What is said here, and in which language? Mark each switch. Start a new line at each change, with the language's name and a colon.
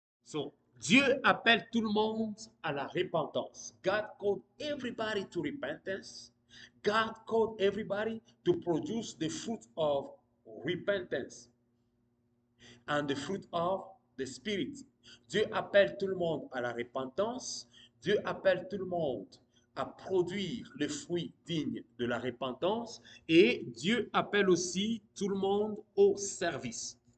French: So Dieu appelle tout le monde à la repentance.
English: God called everybody to repentance. God called everybody to produce the fruit of repentance and the fruit of the Spirit.
French: Dieu appelle tout le monde à la repentance. Dieu appelle tout le monde à produire le fruit digne de la repentance. Et Dieu appelle aussi tout le monde au service.